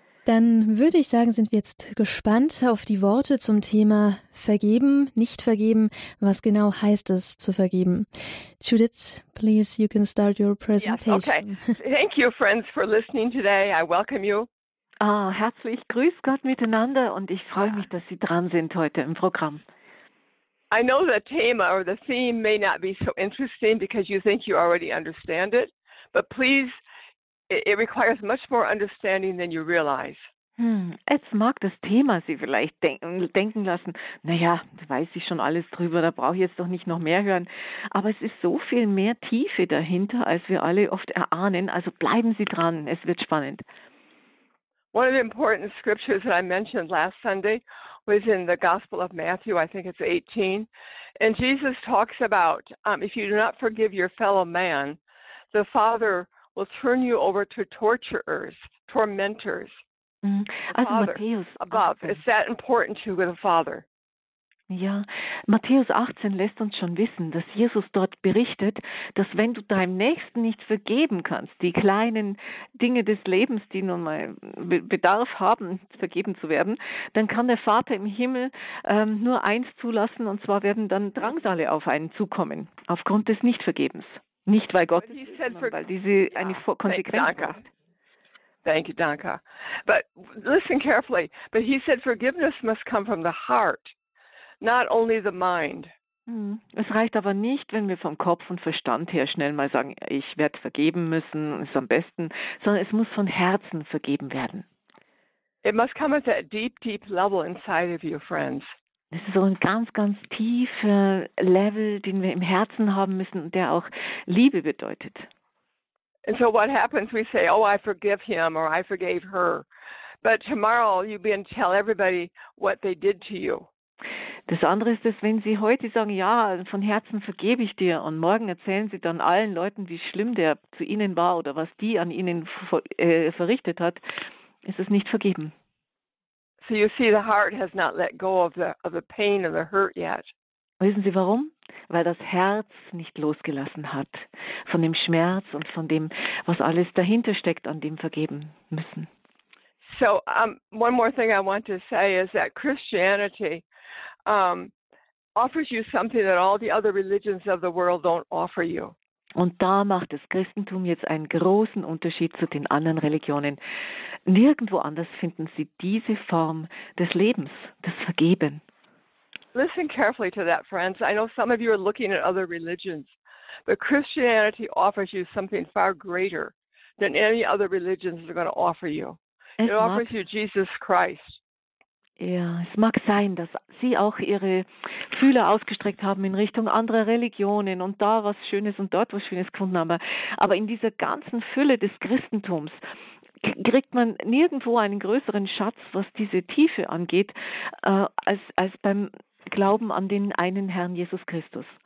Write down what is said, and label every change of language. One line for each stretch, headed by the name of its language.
German: Dann würde ich sagen, sind wir jetzt gespannt auf die Worte zum Thema vergeben, nicht vergeben. Was genau heißt es zu vergeben? Judith,
English: please, you can start your presentation. Yes, okay. Thank you, friends, for listening today. I welcome you.
German: Ah, herzlich grüß Gott miteinander und ich freue mich, dass Sie dran sind heute im Programm.
English: I know the theme or the theme may not be so interesting because you think you already understand it, but please. It requires much more understanding than you realize.
German: Es mag das Thema Sie vielleicht denken lassen, naja, da weiß ich schon alles drüber, da brauche ich jetzt doch nicht noch mehr hören. Aber es ist so viel mehr Tiefe dahinter, als wir alle oft erahnen. Also bleiben Sie dran, es wird spannend.
English: One of the important scriptures that I mentioned last Sunday was in the Gospel of Matthew, I think it's 18. And Jesus talks about, if you do not forgive your fellow man, the Father will turn you over to torturers, tormentors.
German: Also
English: Matthäus above, is that important to the Father?
German: Ja, Matthäus 18 lässt uns schon wissen, dass Jesus dort berichtet, dass wenn du deinem Nächsten nicht vergeben kannst, die kleinen Dinge des Lebens, die nun mal Bedarf haben, vergeben zu werden, dann kann der Vater im Himmel nur eins zulassen, und zwar werden dann Drangsale auf einen zukommen, aufgrund des Nichtvergebens. Nicht weil Gott, weil diese eine Konsequenz.
English: Thank you, Danka. But listen carefully. But he said forgiveness must come from the heart, not only the mind.
German: Es reicht aber nicht, wenn wir vom Kopf und Verstand her schnell mal sagen, ich werde vergeben müssen, ist am besten, sondern es muss von Herzen vergeben werden.
English: It must come at that deep, deep level inside of you, friends.
German: Das ist so ein ganz, ganz tiefer Level, den wir im Herzen haben müssen und der auch Liebe bedeutet.
English: And so what happens, we say, oh, I forgive him or I forgave her. But tomorrow you begin to tell everybody what they did to you.
German: Das andere ist, dass wenn Sie heute sagen, ja, von Herzen vergebe ich dir und morgen erzählen Sie dann allen Leuten, wie schlimm der zu Ihnen war oder was die an Ihnen verrichtet hat, ist es nicht vergeben.
English: So you see, the heart has not let go of the pain and the hurt yet.
German: Wissen Sie warum? Weil das Herz nicht losgelassen hat von dem Schmerz und von dem, was alles dahinter steckt, an dem vergeben müssen.
English: So one more thing I want to say is that Christianity offers you something that all the other religions of the world don't offer you.
German: Und da macht das Christentum jetzt einen großen Unterschied zu den anderen Religionen. Nirgendwo anders finden Sie diese Form des Lebens, des Vergeben.
English: Listen carefully to that, friends. I know some of you are looking at other religions, but Christianity offers you something far greater than any other religions are going to offer you. It offers you Jesus Christ.
German: Ja, es mag sein, dass Sie auch Ihre Fühler ausgestreckt haben in Richtung anderer Religionen und da was Schönes und dort was Schönes gefunden haben. Aber in dieser ganzen Fülle des Christentums kriegt man nirgendwo einen größeren Schatz, was diese Tiefe angeht, als beim Glauben an den einen Herrn Jesus Christus.